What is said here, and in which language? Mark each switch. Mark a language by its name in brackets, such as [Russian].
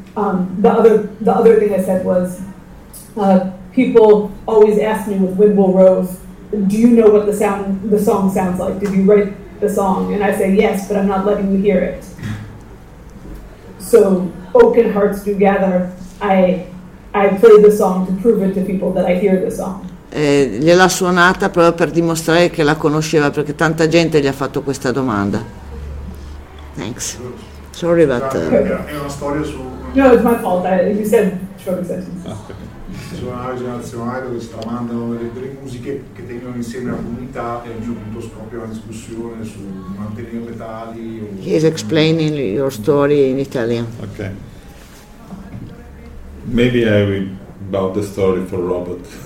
[English] The other thing I said was people always ask me with Wimble Rose, do you know what the song sounds like? Did you write the song? And I say yes, but I'm not letting you hear it. So oaken hearts do gather, I play the song to prove it to people that I hear the song. [Italian] Gliel'ha suonata proprio per dimostrare che la conosceva, perché tanta gente gli ha fatto questa domanda. [English] Thanks. Sorry, but... [Italian] È una storia su... [English] No, it's my fault. You said short sentences. [Italian] Sono una generazione dove stramandano delle musiche che tengono insieme la comunità e a un certo punto scoppia una discussione su mantenere tali. [English] He's explaining your story in Italian. Okay. Maybe I will about the story for Robert.